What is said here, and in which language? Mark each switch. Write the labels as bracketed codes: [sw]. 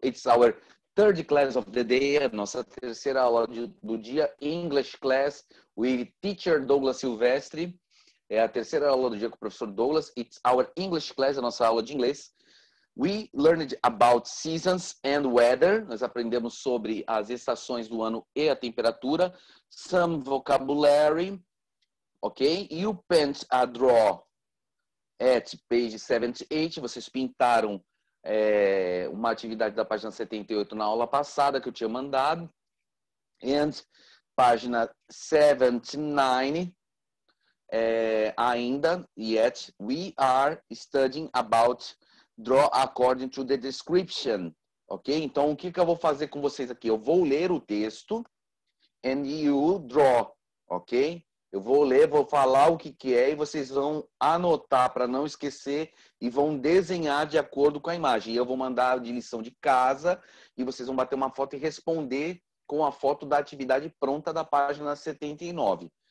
[en] It's our third class of the day. [pt] Nossa terceira aula do dia. [en] English class with teacher Douglas Silvestre. [pt] É a terceira aula do dia com o professor Douglas. [en] It's our English class, [pt] a nossa aula de inglês. [en] We learned about seasons and weather. [pt] Nós aprendemos sobre as estações do ano e a temperatura. [en] Some vocabulary. Ok? You paint a draw at page 78. [pt] Vocês pintaram uma atividade da página 78 na aula passada que eu tinha mandado. [en] And página 79. Ainda, yet, we are studying about draw according to the description. Ok? [pt] Então, o que, que eu vou fazer com vocês aqui? Eu vou ler o texto [en] and you draw. Ok? [pt] Eu vou ler, vou falar o que, que é e vocês vão anotar para não esquecer e vão desenhar de acordo com a imagem. E eu vou mandar de lição de casa e vocês vão bater uma foto e responder com a foto da atividade pronta da página 79.